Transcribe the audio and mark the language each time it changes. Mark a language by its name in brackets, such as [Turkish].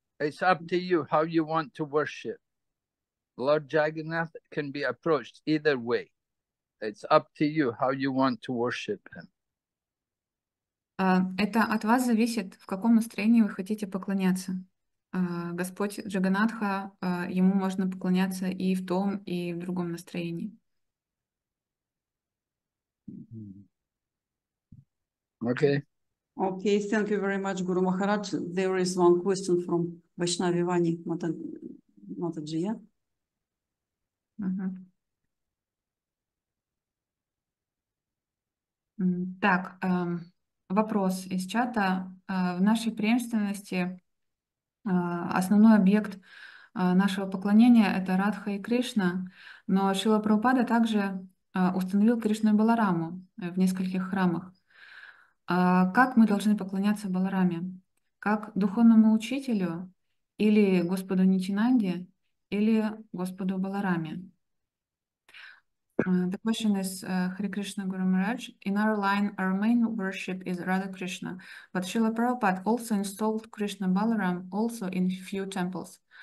[English] It's up to you how you want to worship. Lord Jagannath can be approached either way. It's up to you how you want to worship him. [Russian] Это от вас зависит, в каком настроении вы хотите поклоняться. Господь Джаганатха, ему можно поклоняться и в том, и в другом настроении. [English] Okay. Okay, thank you very much, Guru Maharaj. There is one question from Vaishnavi Vani Mataji. Yeah? [Russian] Так, вопрос из чата. В нашей преемственности основной объект нашего поклонения — это Радха и Кришна, но Шрила Прабхупада также установил Кришну и Балараму в нескольких храмах. Как мы должны поклоняться Балараме? Как духовному учителю или Господу Нитинанде или Господу Балараме? [English] The question is, Hare Krishna Guru Maharaj, in our line, our main worship is Radha Krishna, but Srila Prabhupada also installed Krishna Balaram also in few temples.